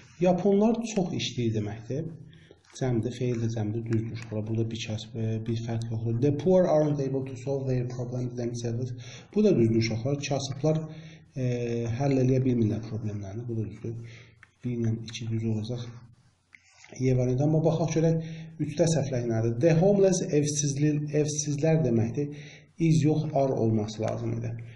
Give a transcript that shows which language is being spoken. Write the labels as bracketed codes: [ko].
[az] Yaponlar çox işləyir deməkdir. Cəmdir, feildir, cəmdir, düzdür. Şuxala, burada bir kəs, bir fərq yoxdur. [en] The poor aren't able to solve their problems themselves. [az] Bu da düzdür, şuxala. Kasıblar həll eləyə bilmirlər problemlərini. Bu da düzdür. Bir ilə iki düz olacaq. Yevanidə, amma baxaq görək, üçdə səhvləyin nədir? The homeless, evsizlər deməkdir. Is yox, are olması lazım idi.